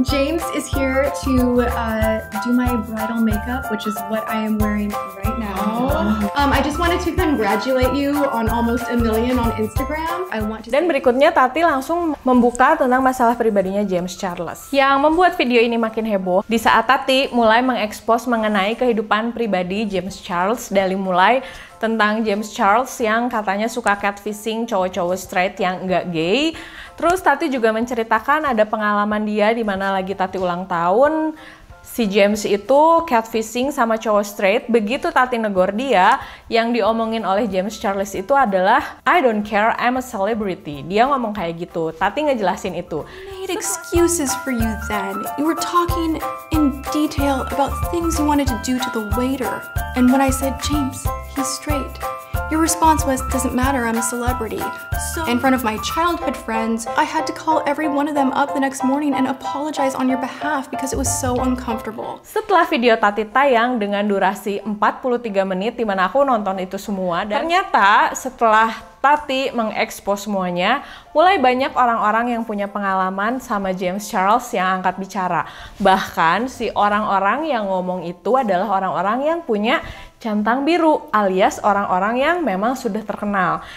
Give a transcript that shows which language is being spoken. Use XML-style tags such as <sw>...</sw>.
<en>James is here to do my bridal makeup, which is what I am wearing right now. I just wanted to congratulate you on almost a million on Instagram.</en> <id>Dan berikutnya Tati langsung membuka tentang masalah pribadinya James Charles, yang membuat video ini makin heboh di saat Tati mulai mengekspos mengenai kehidupan pribadi James Charles, dari mulai tentang James Charles yang katanya suka catfishing cowok-cowok straight yang enggak gay. Terus Tati juga menceritakan ada pengalaman dia di mana lagi Tati ulang tahun, si James itu catfishing sama cowok straight. Begitu Tati negor dia, yang diomongin oleh James Charles itu adalah,</id> <en>"I don't care, I'm a celebrity."</en> <id>Dia ngomong kayak gitu. Tati ngejelasin itu.</id> <en>"I made excuses for you then. You were talking in detail about things you wanted to do to the waiter. And when I said, 'James, he's straight,' your response was, 'Doesn't matter, I'm a celebrity.' So in front of my childhood friends, I had to call every one of them up the next morning and apologize on your behalf because it was so uncomfortable."</en> <id>Setelah video Tati tayang dengan durasi 43 menit di mana aku nonton itu semua, dan ternyata setelah Tati mengekspos semuanya, mulai banyak orang-orang yang punya pengalaman sama James Charles yang angkat bicara. Bahkan si orang-orang yang ngomong itu adalah orang-orang yang punya centang biru, alias orang-orang yang memang sudah terkenal.</id>